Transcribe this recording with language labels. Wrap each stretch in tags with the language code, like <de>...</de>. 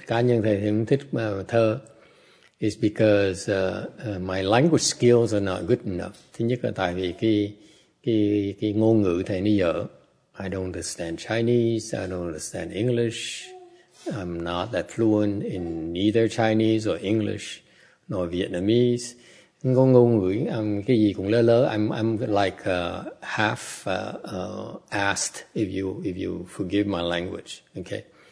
<vi>Cá nhân thầy cũng thích thơ.</vi> <en>It's because my language skills are not good enough.</en> <vi>Thứ nhất là tại vì cái ngôn ngữ thầy nó dở.</vi> <en>I don't understand Chinese. I don't understand English. I'm not that fluent in neither Chinese or English, nor Vietnamese.</en> <vi>Ngôn ngữ, cái gì cũng lơ lơ.</vi> <en>I'm like half assed, if you forgive my language, okay?</en>